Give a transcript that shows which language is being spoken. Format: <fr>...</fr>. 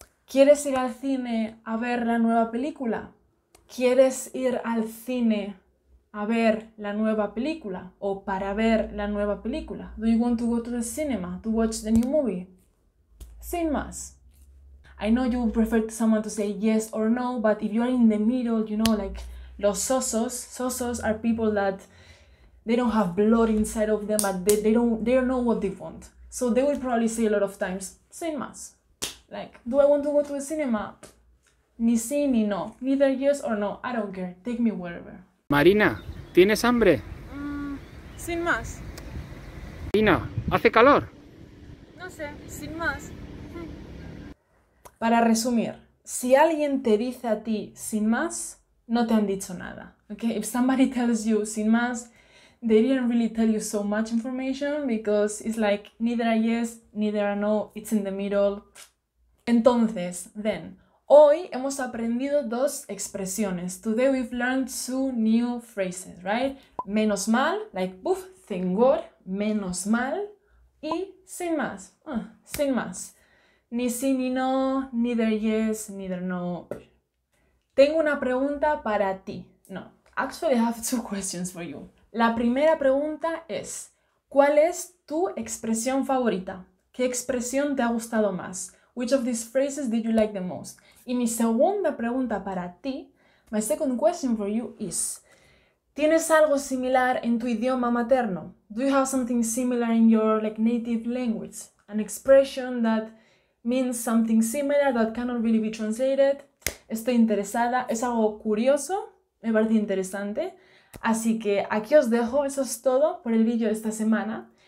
<es>¿Quieres ir al cine a ver la nueva película? ¿Quieres ir al cine a ver la nueva película? ¿O para ver la nueva película?</es> <en>Do you want to go to the cinema to watch the new movie?</en> <es>Sin más.</es> <en>I know you prefer someone to say yes or no, but if you are in the middle, you know, like los sosos. Sosos are people that they don't have blood inside of them, but they don't know what they want. So they will probably say a lot of times, sin más. Like, do I want to go to the cinema?</en> <es>Ni sí ni no.</es> <en>Neither yes or no. I don't care. Take me wherever.</en> <es>Marina, ¿tienes hambre? Sin más. Marina, ¿hace calor? No sé, sin más. Para resumir, si alguien te dice a ti sin más, no te han dicho nada.</es> <en>Okay? If somebody tells you sin más, they didn't really tell you so much information because it's like neither a yes, neither a no, it's in the middle.</en> <es>Entonces,</es> <en>then,</en> <es>hoy hemos aprendido dos expresiones.</es> <en>Today we've learned two new phrases, right? Menos mal, like, uff, thank God, menos mal.</en> <es>Y sin más, sin más. Ni sí ni no,</es> <en>neither yes, neither no.</en> <es>Tengo una pregunta para ti.</es> <en>No, actually I have two questions for you.</en> <es>La primera pregunta es, ¿cuál es tu expresión favorita? ¿Qué expresión te ha gustado más?</es> <en>Which of these phrases did you like the most?</en> <es>Y mi segunda pregunta para ti,</es> <en>my second question for you is,</en> <es>¿tienes algo similar en tu idioma materno?</es> <en>Do you have something similar in your like native language? An expression that means something similar that cannot really be translated.</en> <es>Estoy interesada, es algo curioso, me parece interesante. Así que aquí os dejo, eso es todo por el vídeo de esta semana.</es>